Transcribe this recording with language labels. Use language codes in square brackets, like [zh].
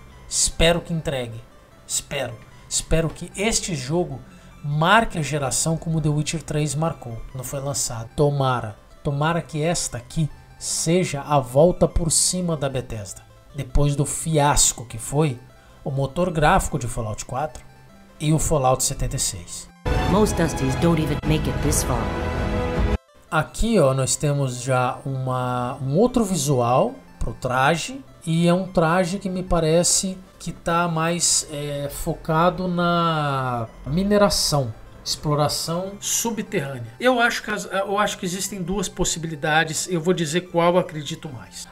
[pt] Espero que entregue. Espero. Espero que este jogo marque a geração como The Witcher 3 marcou, quando foi lançado. Tomara. Tomara que esta aqui seja a volta por cima da Bethesda. Depois do fiasco que foi o motor gráfico de Fallout 4 e o Fallout 76. [en] Most Dusties don't even make it this far. [pt] Aqui, ó, nós temos já um outro visual pro traje. E é um traje que me parece que está mais focado na mineração, exploração subterrânea. Eu acho que existem duas possibilidades, eu vou dizer qual eu acredito mais.